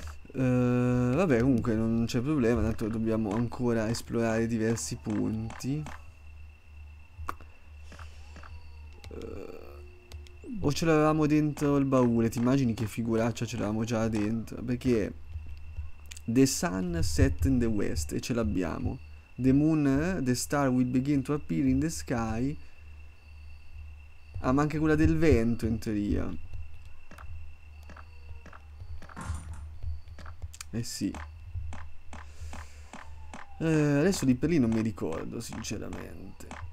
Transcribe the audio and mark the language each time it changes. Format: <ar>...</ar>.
<it>Vabbè, comunque non c'è problema, dato che dobbiamo ancora esplorare diversi punti. O ce l'avevamo dentro il baule, ti immagini che figuraccia ce l'avevamo già dentro? Perché</it> <en>The Sun set in the West</en> <it>e ce l'abbiamo.</it> <en>The Moon, the star will begin to appear in the sky.</en> <it>Ah, ma anche quella del vento in teoria. Eh sì. Adesso lì per lì non mi ricordo, sinceramente.</it>